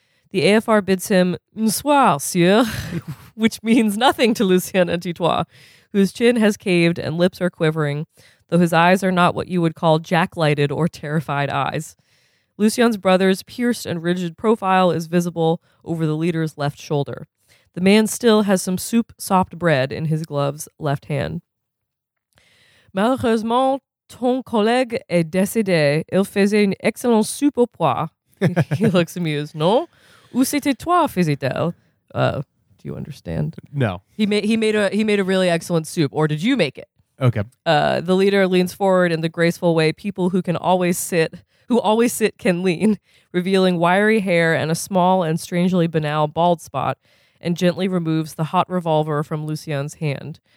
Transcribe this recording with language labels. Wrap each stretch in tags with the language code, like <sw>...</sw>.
<en>The AFR bids him,</en> <fr>"Bonsoir, sieur,"</fr> <en>which means nothing to Lucien Antitois, whose chin has caved and lips are quivering, though his eyes are not what you would call jack-lighted or terrified eyes. Lucien's brother's pierced and rigid profile is visible over the leader's left shoulder. The man still has some soup-sopped bread in his glove's left hand.</en> <fr>"Malheureusement, ton collègue est décédé. Il faisait une excellente soupe au pois."</fr> <en>He looks amused.</en> <fr>"Non? Où c'était toi, faisait-elle?"</fr> <en>Do you understand? No. He made a really excellent soup. Or did you make it? Okay. The leader leans forward in the graceful way people who always sit can lean, revealing wiry hair and a small and strangely banal bald spot, and gently removes the hot revolver from Lucien's hand.</en>